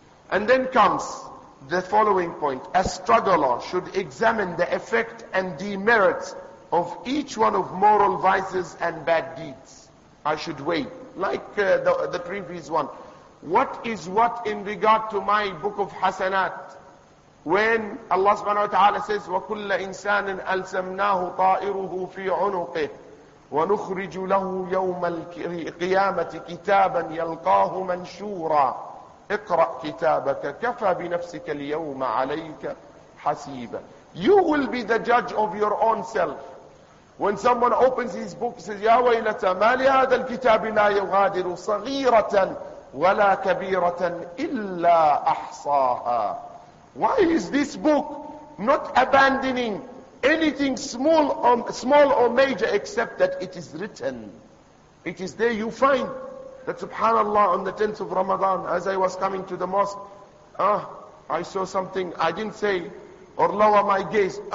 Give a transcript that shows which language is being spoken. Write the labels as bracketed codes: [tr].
[en] And then comes the following point. A struggler should examine the effect and demerits of each one of moral vices and bad deeds. I should weigh, like the previous one. What is what in regard to my book of Hasanat? When Allah subhanahu wa ta'ala says, [ar] وَكُلَّ إِنسَانٍ أَلْسَمْنَاهُ طَائِرُهُ فِي عُنُقِهِ وَنُخْرِجُ لَهُ يَوْمَ الْقِيَامَةِ كِتَابًا يَلْقَاهُ مَنْشُورًا اِقْرَأْ كِتَابَكَ كَفَى بِنَفْسِكَ الْيَوْمَ عَلَيْكَ حَسِيبًا. [en] You will be the judge of your own self. When someone opens his book, he says, [ar] يَا وَيْلَتَ مَا لِهَذَا الْكِتَابِ لَا يُغَادِرُ صَغِيرَةً وَلَا كَبِيرَةً إِلَّا أَحْصَاهَا. [en] Why is this book not abandoning anything small or major except that it is written? It is there you find that, subhanallah, on the 10th of Ramadan, as I was coming to the mosque, I saw something I didn't say, or lower my gaze.